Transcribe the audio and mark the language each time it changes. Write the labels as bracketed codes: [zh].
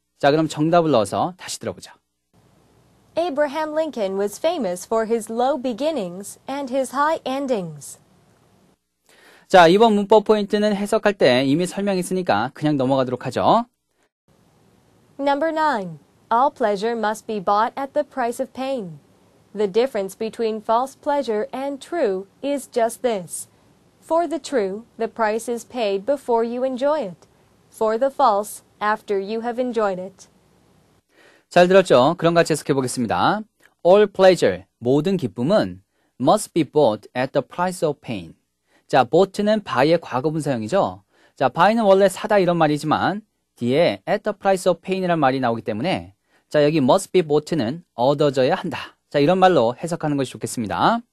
[ko] 자, 그럼 정답을 넣어서 다시 들어보죠. [en] Abraham Lincoln was famous for his low beginnings and his high endings. [ko] 자, 이번 문법 포인트는 해석할 때 이미 설명했으니까 그냥 넘어가도록 하죠. [en] Number 9. All pleasure must be bought at the price of pain. The difference between false pleasure and true is just this. For the true, the price is paid before you enjoy it. For the false, after you have enjoyed it. [ko] 잘 들었죠? 그럼 같이 해석해 보겠습니다. [en] All pleasure, [ko] 모든 기쁨은 [en] must be bought at the price of pain. [ko] 자, bought는 buy의 과거분사형이죠. 자, buy는 원래 사다 이런 말이지만 뒤에 [en] at the price of pain [ko] 이란 말이 나오기 때문에 자, 여기 [en] must be bought [ko] 는 얻어져야 한다, 자, 이런 말로 해석하는 것이 좋겠습니다.